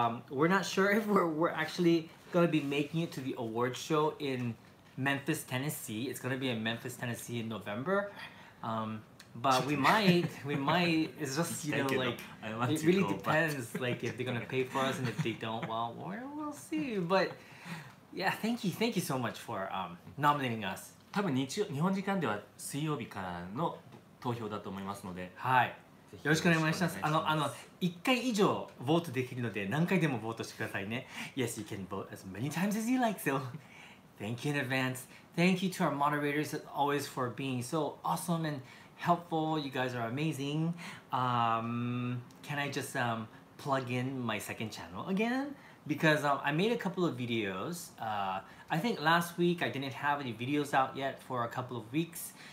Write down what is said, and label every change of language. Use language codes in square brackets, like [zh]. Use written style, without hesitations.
[en] We're not sure if we're actually going to be making it to the award show in Memphis, Tennessee. It's going to be in Memphis, Tennessee in November. But we might. It's just, you know, like, it really depends. Like, if they're going to pay for us and if they don't, well, we'll see. But yeah, thank you. Thank you so much for nominating us. [ja] 多分日本時間では水曜日からの投票だと思いますので、はい、よろしくお願いします。1回以上ボートできるので何回でもボートしてくださいね。 [en] Yes, you can vote as many times as you like, so thank you in advance. Thank you to our moderators as always for being so awesome and helpful. You guys are amazing. Can I just plug in my second channel again? Because I made a couple of videos. I think last week I didn't have any videos out yet for a couple of weeks.